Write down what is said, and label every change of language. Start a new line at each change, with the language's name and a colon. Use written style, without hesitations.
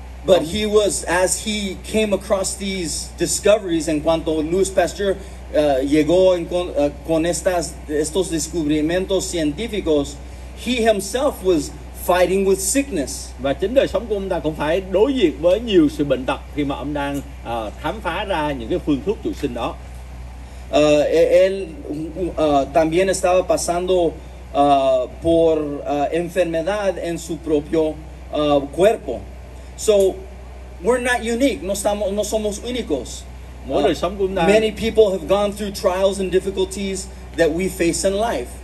English: But he was, as he came across these discoveries,
Spanish: en cuanto Louis Pasteur llegó con estos descubrimientos científicos,
English: he himself was fighting with sickness.
Vietnamese: Và chính đời sống của ông ta cũng phải đối diện với nhiều sự bệnh tật khi mà ông đang khám phá ra những cái phương thuốc trụ sinh đó.
Spanish: Él también estaba pasando por enfermedad en su propio cuerpo.
English: So we're not unique.
Spanish: No somos únicos.
English: Many people have gone through trials and difficulties that we face in life.